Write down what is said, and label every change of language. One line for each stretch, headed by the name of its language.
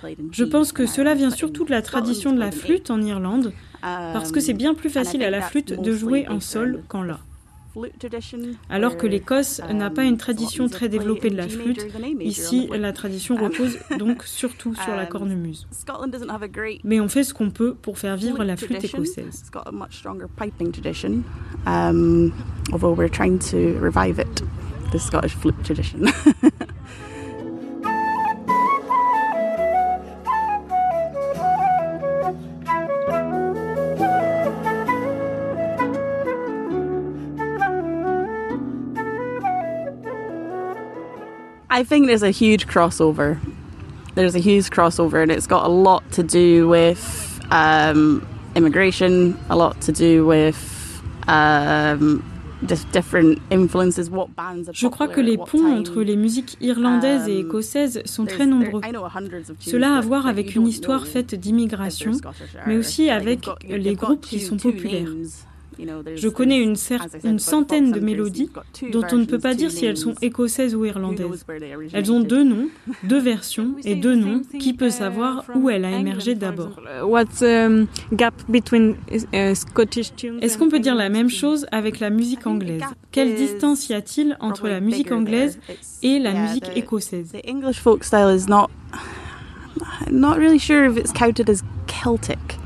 French: Je pense que cela vient surtout de la tradition de la flûte en Irlande, parce que c'est bien plus facile à la flûte de jouer en Sol qu'en La. Alors que l'Écosse n'a pas une tradition très développée de la flûte, ici la tradition repose donc surtout sur la cornemuse. Mais on fait ce qu'on peut pour faire vivre la flûte écossaise.
English: Although we're trying to revive it, the Scottish flute tradition. I think there's a huge crossover. There's a huge crossover, and it's got a lot to do with immigration, a lot to do with different influences. What bands are popular?
French: Je crois que les ponts entre les musiques irlandaises et écossaises sont très nombreux. Cela a à voir avec une histoire faite d'immigration, mais aussi avec les groupes qui sont populaires. Je connais une centaine de mélodies dont on ne peut pas dire si elles sont écossaises ou irlandaises. Elles ont deux noms, deux versions et deux noms. Qui peut savoir où elle a émergé d'abord? Est-ce qu'on peut dire la même chose avec la musique anglaise? Quelle distance y a-t-il entre la musique anglaise et la musique écossaise?
English: The English folk style is not, not really sure if it's counted as Celtic.